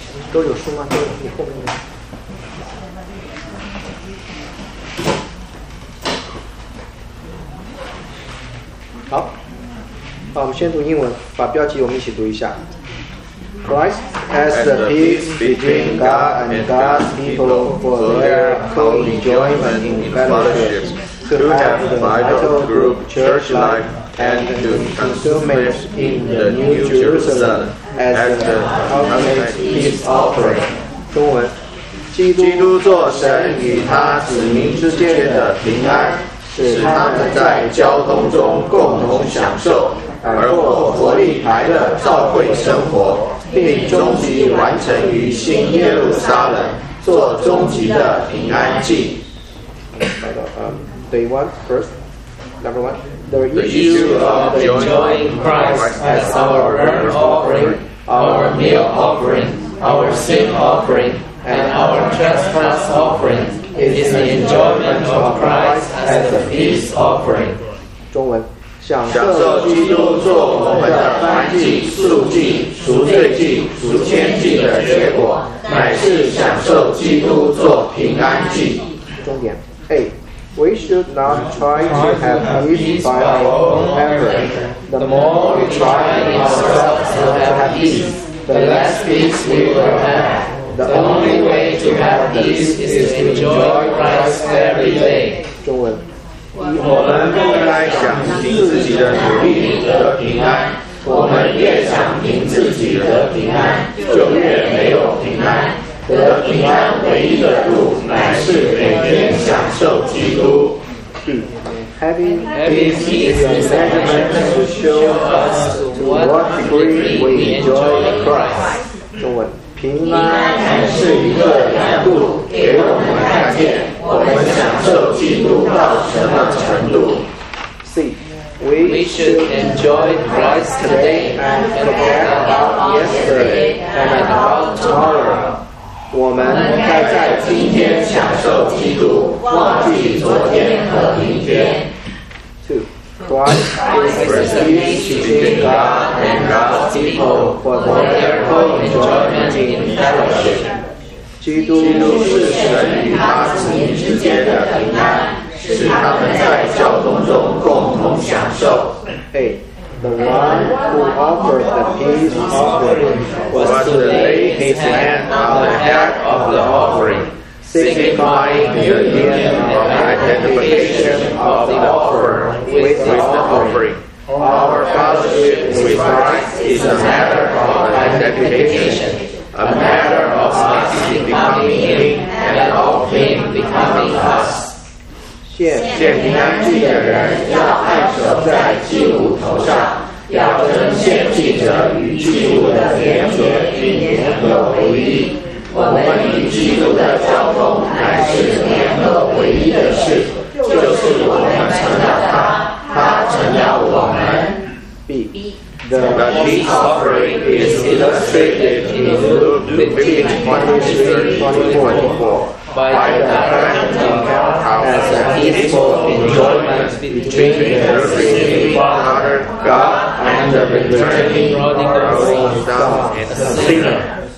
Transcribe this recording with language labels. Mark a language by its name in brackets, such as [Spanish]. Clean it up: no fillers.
[Chinese] 都有书吗？都有，你后面的。好，好，我们先读英文，把标题我们一起读一下。 [English] Christ has the peace between God and God's people for their co-enjoyment in fellowship, to have the vital group church life and to consume it in the New Jerusalem as the ultimate peace offering. [Chinese] 中文，基督做神与他子民之间的平安，使他们在交通中共同享受，而过活力来的召会生活，并终极完成于新耶路撒冷，做终极的平安祭。 [English] Day one, first, number one, the issue of enjoying Christ as our burnt offering, our meal offering, our sin offering, and our trespass offering. Is the enjoyment of Christ as the peace offering. [Chinese] 中文，享受基督做我们的燔祭、素祭、赎罪祭、赎愆祭的结果，乃是享受基督做平安祭。重点 A. [English] We should not try to have peace by our own effort. The more we try in ourselves to have peace, the less peace we will have. The only way to have peace is to enjoy Christ every day. [Chinese] 中文，我们不该想凭自己的努力得平安，我们越想凭自己得平安，就越没有平安。得平安唯一的路，乃是每天享受基督。 [English] Having peace is a measurement to show us to what degree we enjoy Christ. [Chinese] 中文。平安是一个难度，给我们看见我们享受基督到什么程度。 [English] C. We should enjoy Christ today and forget about yesterday and about tomorrow. [Chinese] 我们该在今天享受基督，忘记昨天和明天。 [English] Christ is the peace between God and God's people for their co-enjoyment in fellowship. [Chinese] 基督是神与他子民之间的平安，使他们在交通中共同享受。 [English] A. The one who offered the peace offering was to lay his hand on the head of the offering, signifying the union of identification of the offerer. With the offering. Our fellowship with Christ is a matter of identification, a matter of us becoming Him and of Him becoming us. [Chinese] 献平安祭的人要按手在祭物头上，要跟献祭者与祭物的连结并联合为一。我们与基督的交通乃是联合唯一的事，就是我们成了他。 [English] B. The peace offering is illustrated in Luke 15:23-24 by the fact of God as a peaceful enjoyment between the receiving father, God, and the returning prodigal son, the sinner.